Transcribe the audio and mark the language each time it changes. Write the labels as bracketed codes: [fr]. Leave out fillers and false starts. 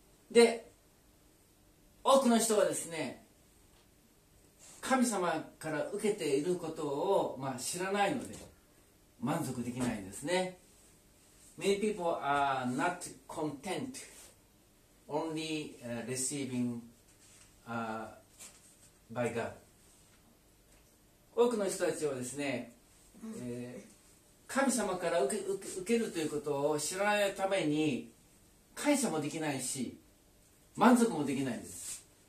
[ja] で、多くの人はですね、神様から受けていることを、知らないので満足できないんですね。 [en] Many people are not content only receiving by God. [ja] 多くの人たちはですね、神様から受けるということを知らないために感謝もできないし満足もできないんです。